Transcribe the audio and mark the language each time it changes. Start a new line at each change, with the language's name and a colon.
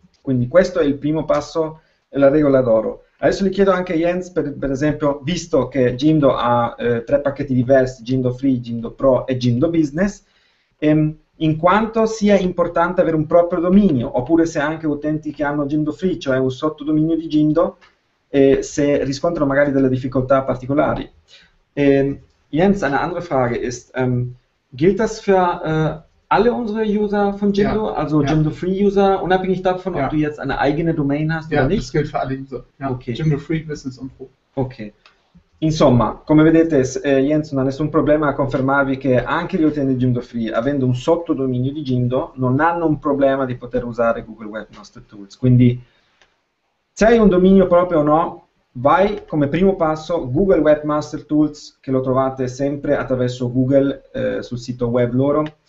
Italian: Quindi questo è il primo passo, la regola d'oro. Adesso gli chiedo anche Jens, per esempio, visto che Jindo ha 3 pacchetti diversi, Jindo Free, Jindo Pro e Jindo Business, in quanto sia importante avere un proprio dominio, oppure se anche utenti che hanno Jindo Free, cioè un sottodominio di Jindo, se riscontrano magari delle difficoltà particolari.
German: Jens, eine andere Frage ist, gilt das für alle unsere User von Jimdo, ja, also ja. Jimdo-Free-User, unabhängig davon, ob ja. du jetzt eine eigene Domain hast ja, oder nicht? Ja, das gilt für alle User. Ja. Okay. Jimdo-Free, Business und Pro. Okay.
Italian: Insomma, come vedete, Jens non ha nessun problema a confermarvi che anche gli utenti di Jimdo-Free, avendo un sottodominio di Jimdo, non hanno un problema di poter usare Google Webmaster Tools. Quindi, se hai un dominio proprio o no, vai come primo passo Google Webmaster Tools, che lo trovate sempre attraverso Google sul sito web loro.